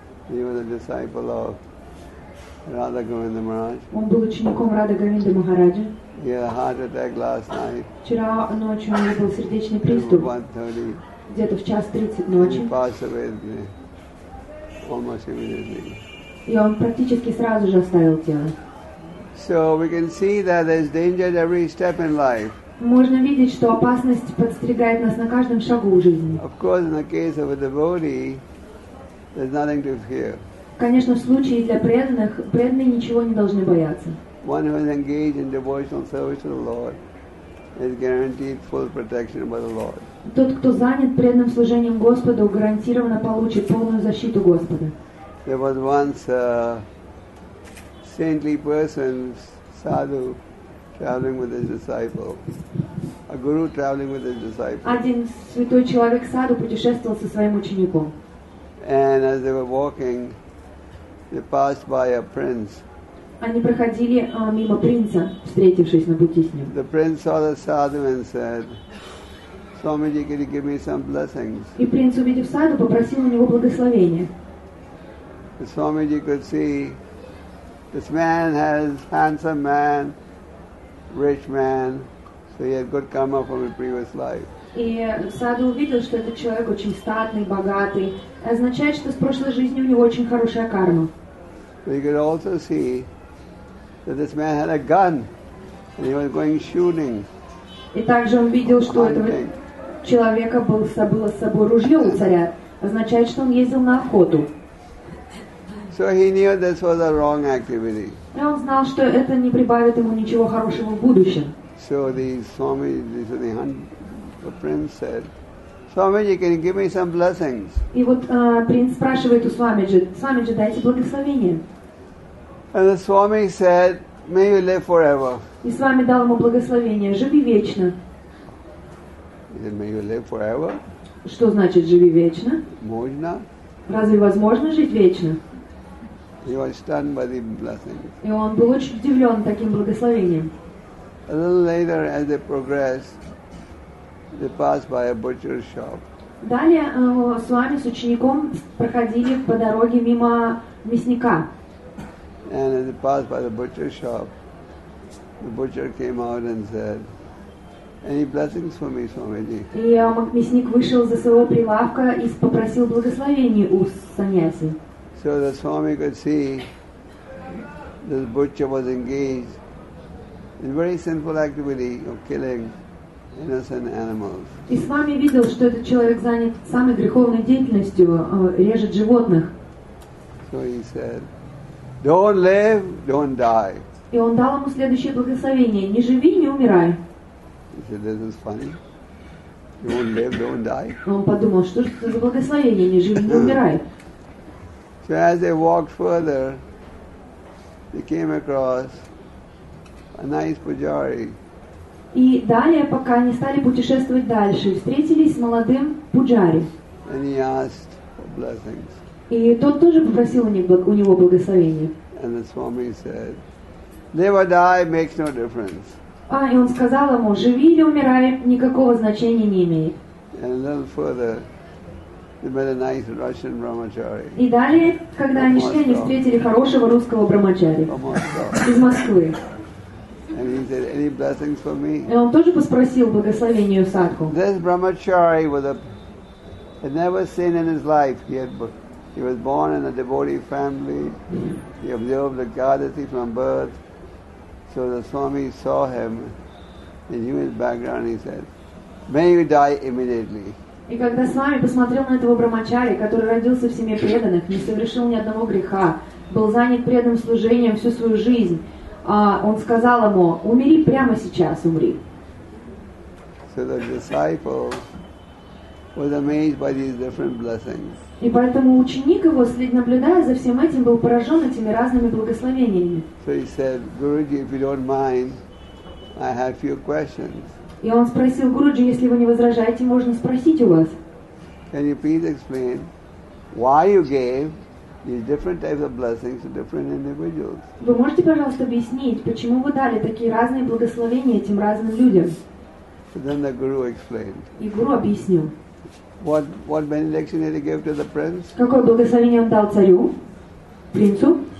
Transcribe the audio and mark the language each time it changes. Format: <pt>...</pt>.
<en>He was a disciple of Radha Govinda Maharaj.</en> <ru>Он был учеником Радха Говинда Махараджа.</ru> <en>He had a heart attack last night.</en> <ru>Вчера ночью у него был сердечный приступ. Где-то в 1:30 ночи.</ru> <en>He passed away almost immediately.</en> <ru>И он практически сразу же оставил тело.</ru> <en>So we can see that there's danger at every step in life.</en> <ru>Можно видеть, что опасность подстерегает нас на каждом шагу жизни.</ru> <en>Of course, in the case of a devotee, there's nothing to fear.</en> <ru>Конечно, в случае для преданных, преданные ничего не должны бояться.</ru> <en>One who is engaged in devotional service to the Lord is guaranteed full protection by the Lord.</en> <ru>Тот, кто занят преданным служением Господу, гарантированно получит полную защиту Господа.</ru> <en>There was once a saintly person, sadhu, traveling with his disciple, a guru traveling with his disciple.</en> <ru>Один святой человек саду путешествовал со своим учеником.</ru> <en>And as they were walking, they passed by a prince.</en> <ru>Они проходили мимо принца, встретившись на пути с ним.</ru> <en>The prince saw the sadhu and said, "Swamiji, can you give me some blessings?"</en> <ru>И принц, увидев саду, попросил у него благословения.</ru> <en>Swamiji could see this man has handsome man, rich man, so he had good karma from a previous life.</en> <ru>И саду увидел, что этот человек очень статный, богатый, означает, что с прошлой жизни у него очень хорошая карма.</ru> <en>But he could also see that this man had a gun and he was going shooting.</en> <ru>И также он видел, что этого человека было с собой ружье у царя, означает, что он ездил на охоту.</ru> <en>So he knew this was a wrong activity.</en> <ru>И он знал, что это не прибавит ему ничего хорошего в будущем.</ru> <en>So the Swami, the prince said, "Swamiji, can you give me some blessings?"</en> <ru>И вот принц спрашивает у Свамиджи: "Свамиджи, дайте благословение."</ru> <en>And the Swami said, "May you live forever."</en> <ru>И Свами дал ему благословение: "Живи вечно."</ru> <en>He said, "May you live forever?"</en> <ru>Что значит "живи вечно"? Можно. Разве возможно жить вечно?</ru> <en>He was stunned by the blessing.</en> <ru>И он был очень удивлен таким благословением.</ru> <en>A little later, as they progressed, they passed by a butcher's shop.</en> <ru>Далее с вами, с учеником, проходили по дороге мимо мясника.</ru> <en>And as they passed by the butcher's shop, the butcher came out and said, "Any blessings for me, Swamiji?"</en> <ru>И мясник вышел за своего прилавка и попросил благословения у саньяси.</ru> <en>So the Swami could see this butcher was engaged in very sinful activity of killing innocent animals.</en> <ru>И Свами видел, что этот человек занят самой греховной деятельностью, режет животных.</ru> <en>So he said, "Don't live, don't die."</en> <ru>И он дал ему следующее благословение: не живи, не умирай.</ru> <en>He said, "This is funny. Don't live, don't die."</en> <ru>Он подумал, что это за благословение: не живи, не умирай.</ru> <en>So as they walked further, they came across a nice pujari.</en> <ru>И далее, пока они стали путешествовать дальше, встретились с молодым пуджари.</ru> <en>And he asked for blessings.</en> <ru>И тот тоже попросил у него благословения.</ru> <en>And the Swami said, "Live or die makes no difference."</en> <ru>А и он сказал ему: живи или умирай, никакого значения не имеет.</ru> <en>And a little further, they met a nice Russian brahmachari.</en> <ru>И далее, когда они шли, они встретили хорошего русского брахмачари из Москвы.</ru> <en>And he said, "Any blessings for me?"</en> <ru>И он тоже поспросил благословение у садху.</ru> <en>This brahmachari had never sinned in his life. He was born in a devotee family. He observed the Ekadasi from birth. So the Swami saw him and knew his background. He said, "May you die immediately."</en> <ru>И когда Свами посмотрел на этого брахмачари, который родился в семье преданных, не совершил ни одного греха, был занят преданным служением всю свою жизнь, он сказал ему: умри прямо сейчас, умри.</ru> <en>So the disciple was amazed by these different blessings.</en> <ru>И поэтому ученик его, наблюдая за всем этим, был поражен этими разными благословениями.</ru> <en>So he said, "Guruji, if you don't mind, I have a few questions."</en> <ru>И он спросил: Гуруджи, если вы не возражаете, можно спросить у вас.</ru> <en>Can you please explain why you gave these different types of blessings to different individuals?</en> <ru>Вы можете, пожалуйста, объяснить, почему вы дали такие разные благословения этим разным людям?</ru> <en>Then the guru explained.</en> <ru>И гуру объяснил.</ru> <en>What benediction did he give to the prince?</en> <ru>Какое благословение он дал царю, принцу?</ru>